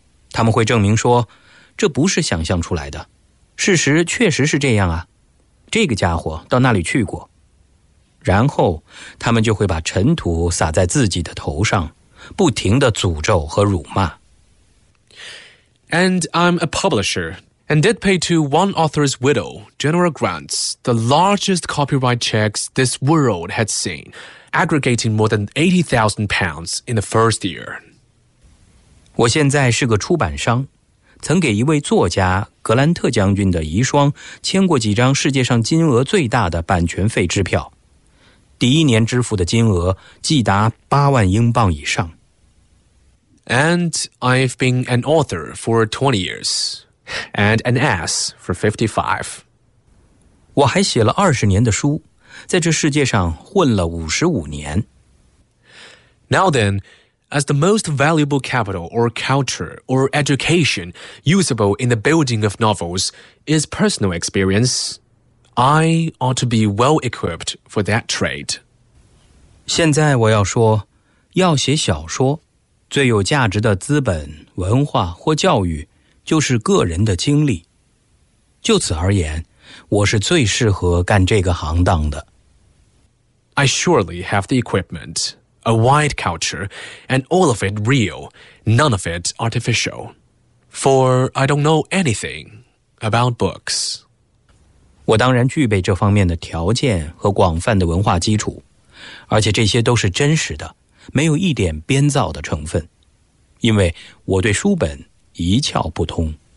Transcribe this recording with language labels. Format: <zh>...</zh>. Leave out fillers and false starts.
<zh>他们会证明说，这不是想象出来的，事实确实是这样啊，这个家伙到那里去过。然后他们就会把尘土撒在自己的头上，不停地诅咒和辱骂。</zh> <en>And I'm a publisher, and did pay to one author's widow, General Grant, the largest copyright checks this world had seen, aggregating more than £80,000 in the first year.</en> <zh>我现在是个出版商，曾给一位作家格兰特将军的遗孀签过几张世界上金额最大的版权费支票，第一年支付的金额计达8万英镑以上。</zh> <en>And I've been an author for 20 years, and an ass for 55.</en> <zh>我还写了20年的书，在这世界上混了55年。</zh> <en>Now then, as the most valuable capital or culture or education usable in the building of novels is personal experience,I ought to be well-equipped for that trade.</en> <zh>现在我要说，要写小说，最有价值的资本、文化或教育，就是个人的经历。就此而言，我是最适合干这个行当的。</zh> <en>I surely have the equipment, a wide culture, and all of it real, none of it artificial. For I don't know anything about books.</en> <zh>我当然具备这方面的条件和广泛的文化基础，而且这些都是真实的，没有一点编造的成分，因为我对书本一窍不通。</zh>